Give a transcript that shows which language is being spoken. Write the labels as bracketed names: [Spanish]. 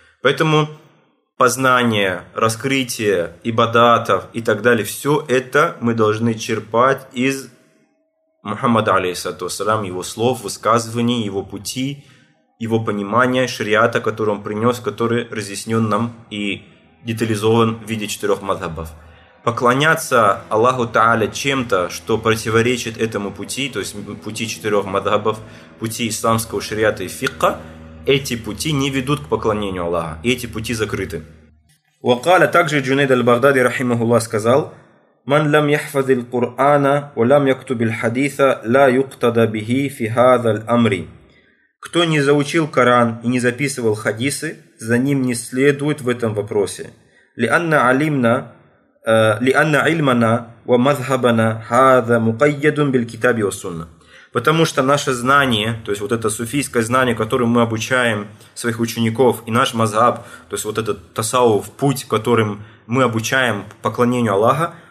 [Russian] Поэтому познание, раскрытие ибадатов и так далее, все это мы должны черпать из Мухаммада, алейхиссалям, его слов, высказываний, его пути, его понимания, шариата, который он принес, который разъяснен нам и детализован в виде четырех мазхабов. Поклоняться Аллаху Та'аля чем-то, что противоречит этому пути, то есть пути четырех мадхабов, пути исламского шариата и фикха, эти пути не ведут к поклонению Аллаха, и эти пути закрыты. [Arabic] وقال [Russian] также [Arabic] Джунейд аль-Багдади رحمه الله [Russian] сказал: [Arabic] من لم يحفظ القرآن ولم يكتب الحديث لا يقتدى به في هذا الأمر. [Russian] Кто не заучил Коран и не записывал хадисы, за ним не следует в этом вопросе. [Arabic] لأن علمنا لِأَنَّ عِلْمَنَا وَمَذْهَبَنَا هَذَا مُقَيَّدٌ بِالْكِتَابِ وَسُنَّةِ. [Russian] Потому что наше знание, то есть вот это суфийское знание, которым мы обучаем своих учеников, и наш мазхаб, то есть вот этот тасауф, путь, которым мы обучаем поклонению Аллаха,